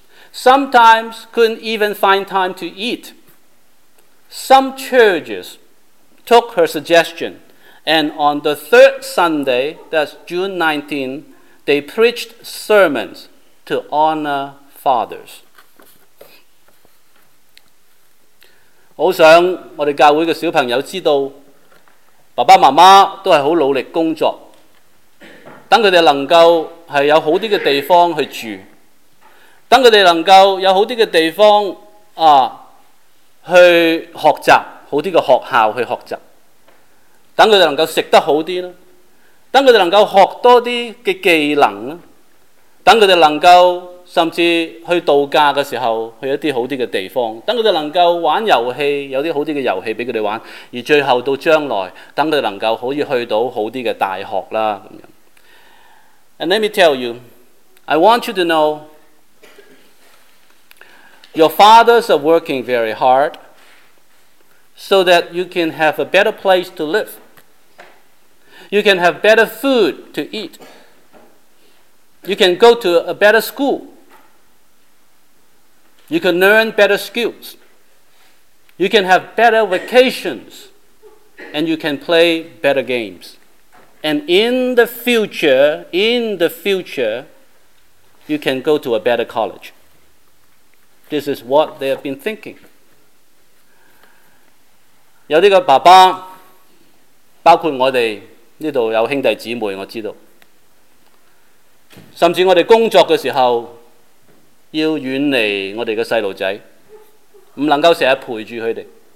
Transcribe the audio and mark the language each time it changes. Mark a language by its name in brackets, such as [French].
[English] Sometimes couldn't even find time to eat. Some churches took her suggestion, and on the third Sunday, that's June 19, they preached sermons to honor fathers. [Chinese] 好想我们教会的小朋友知道，爸爸妈妈都是很努力工作，等他们能够有好一点的地方去住，等他们能够有好一点的地方啊，去学习，好一点的学校去学习，等他们能够吃得好一点，等他们能够学多一些技能，等他们能够甚至去度假的时候去一些好一点的地方，等他们能够玩游戏，有一些好一点的游戏给他们玩，而最后到将来等他们能够可以去到好一点的大学啦。 [English] And let me tell you, I want you to knowYour fathers are working very hard so that you can have a better place to live. You can have better food to eat. You can go to a better school. You can learn better skills. You can have better vacations. And you can play better games. And in the future, you can go to a better college. This is what they have been thinking. [Chinese] 有些爸爸，包括我们这里有兄弟姊妹，我知道，甚至我们工作的时候要远离我们的小孩，不能够经常陪着他们。